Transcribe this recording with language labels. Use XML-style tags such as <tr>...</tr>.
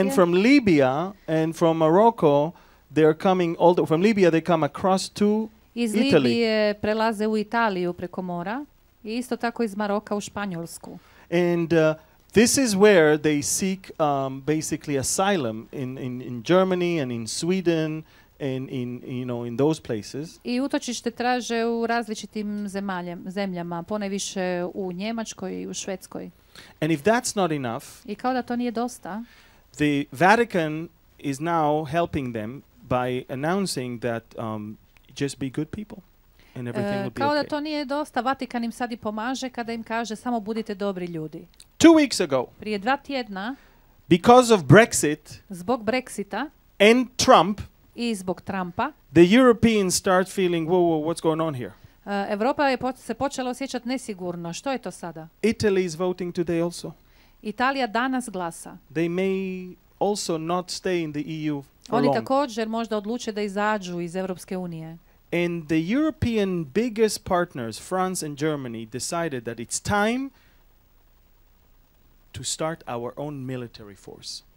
<en>And from Libya and from Morocco, they are coming all the, from Libya they come across to</en> <hr>iz</hr> <en>Italy.</en> <hr>Iz Libije prelaze u Italiju preko mora i isto tako iz Maroka u Španjolsku.</hr> <en>And this is where they seek basically asylum in Germany and in Sweden and in you know in those places.</en> <hr>I utočište traže u različitim zemljama, ponajviše u Njemačkoj i u Švedskoj.</hr> <en>And if that's not enough,</en> <hr>i kao da to nije dosta,</hr> <en>the Vatican is now helping them by announcing that just be good people and everything will be okay.</en> <hr>Kao da to nije dosta, Vatikan im sad i pomaže kada im kaže samo budite dobri ljudi.</hr> <en>2 weeks ago,</en> <hr>prije dva tjedna,</hr> <en>because of Brexit,</en> <hr>zbog Brexita</hr> <en>and Trump,</en> <hr>i zbog Trumpa,</hr> <en>the Europeans start feeling, whoa, whoa, what's going on here?</en> <hr>Evropa je se počela osjećati nesigurno. Što je to sada?</hr> <en>Italy is voting today also.</en> <hr>Italija danas glasa.</hr> <en>They may also not stay in the EU for</en> <hr>oni</hr> <en>long.</en> <hr>Također možda odluče da izađu iz Europske unije.</hr> <en>And the European biggest partners, France and Germany, decided that it's time to start our own military force.</en>